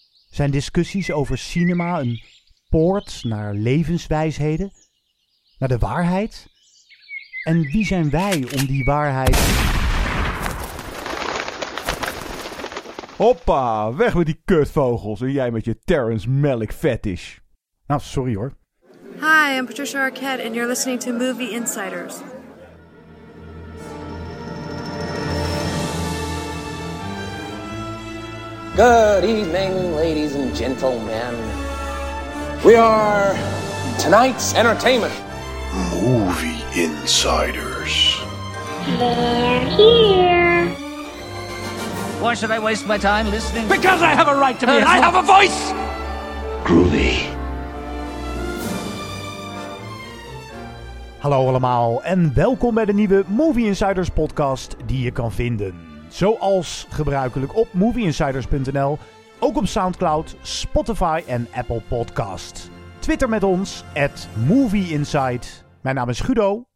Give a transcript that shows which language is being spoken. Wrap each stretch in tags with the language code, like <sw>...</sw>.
<nl>Zijn discussies over cinema een poort naar levenswijsheden? Naar de waarheid? En wie zijn wij om die waarheid... Hoppa, weg met die kutvogels en jij met je Terrence Malick fetish. Nou, sorry hoor.</nl> <en>Hi, I'm Patricia Arquette and you're listening to Movie Insiders. Good evening, ladies and gentlemen. We are tonight's entertainment. Movie Insiders. They're here. Why should I waste my time listening? Because I have a right to be, and I have a voice! Groovy.</en> <nl>Hallo allemaal en welkom bij de nieuwe Movie Insiders podcast die je kan vinden. Zoals gebruikelijk op movieinsiders.nl, ook op Soundcloud, Spotify en Apple Podcast. Twitter met ons, @movieinside. Mijn naam is Guido.</nl>